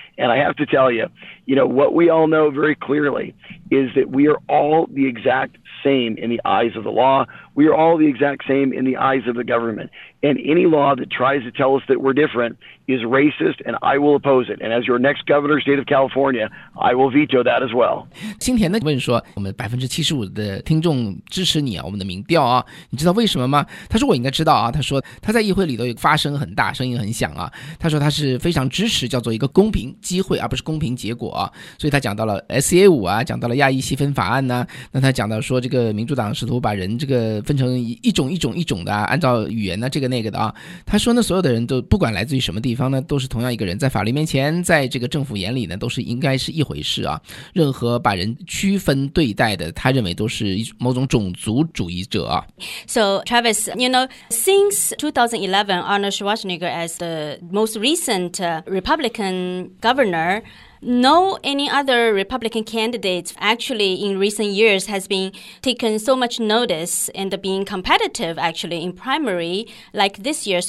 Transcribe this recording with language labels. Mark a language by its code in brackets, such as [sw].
[en] And I have to tell you, you know, what we all know very clearly is that we are all the exact same in the eyes of the law. We are all the exact same in the eyes of the government. And any law that tries to tell us that we're different is racist, and I will oppose it. And as your next governor, state of California, I will veto that as well. [zh] 新田呢问说，我们75%的听众支持你啊，我们的民调啊，你知道为什么吗？他说我应该知道啊，他说说他在议会里头发声很大，声音很响啊。他说他是非常支持叫做一个公平机会，而不是公平结果啊。所以他讲到了 SA5 啊，讲到了亚裔细分法案呢。那他讲到说这个民主党试图把人这个分成一种一种一种的，按照语言呢这个那个的啊。他说呢，所有的人都不管来自于什么地方呢，都是同样一个人，在法律面前，在这个政府眼里呢，都是应该是一回事啊。任何把人区分对待的，他认为都是某种种族主义者啊。 [en] So Travis, you know, since 2011, Arnold Schwarzenegger as the most recent Republican governor, no any other Republican candidate actually in recent years has been taken so much notice and being competitive actually in primary like this year.